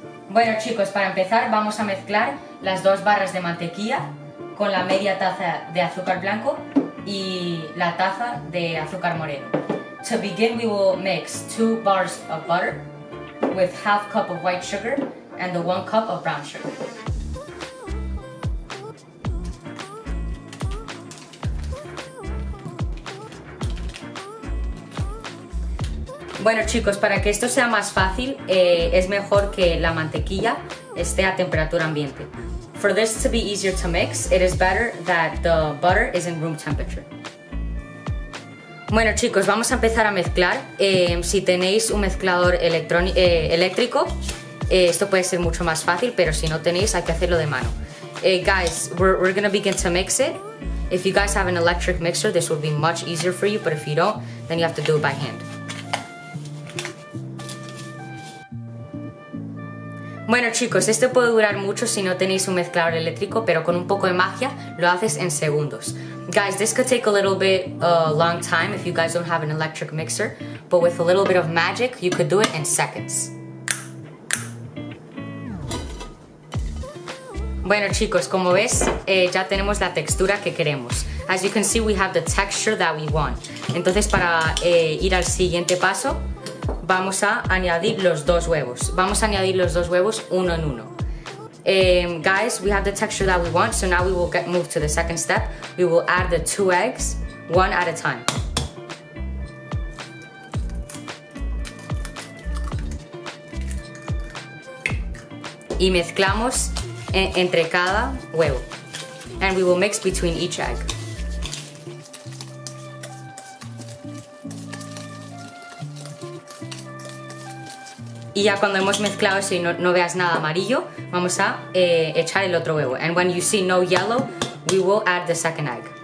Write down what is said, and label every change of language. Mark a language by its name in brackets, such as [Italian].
[Spanish] Bueno chicos, para empezar vamos a mezclar las dos barras de mantequilla con la media taza de azúcar blanco y la taza de azúcar moreno. [English] To begin, we will mix two bars of butter with half cup of white sugar and the one cup of brown sugar. [Spanish] Bueno chicos, para que esto sea más fácil, es mejor que la mantequilla esté a temperatura ambiente. [English] For this to be easier to mix, it is better that the butter is in room temperature. [Spanish] Bueno chicos, vamos a empezar a mezclar. Si tenéis un mezclador eléctrico, esto puede ser mucho más fácil, pero si no tenéis, hay que hacerlo de mano. [English] Guys, we're gonna begin to mix it. If you guys have an electric mixer, this will be much easier for you, but if you don't, then you have to do it by hand. [Spanish] Bueno chicos, esto puede durar mucho si no tenéis un mezclador eléctrico, pero con un poco de magia lo haces en segundos. [English] Guys, this could take a little bit long time if you guys don't have an electric mixer, but with a little bit of magic, you could do it in seconds. [Spanish] Bueno chicos, como ves, ya tenemos la textura que queremos. [English] As you can see, we have the texture that we want. [Spanish] Entonces para ir al siguiente paso, vamos a añadir los dos huevos. Vamos a añadir los dos huevos uno en uno. [English] Guys, we have the texture that we want, so now we will move to the second step. We will add the two eggs, one at a time. [Spanish] Y mezclamos entre cada huevo. [English] And we will mix between each egg. [Spanish] Y ya cuando hemos mezclado, si no veas nada amarillo, vamos a echar el otro huevo. [English] And when you see no yellow, we will add the second egg.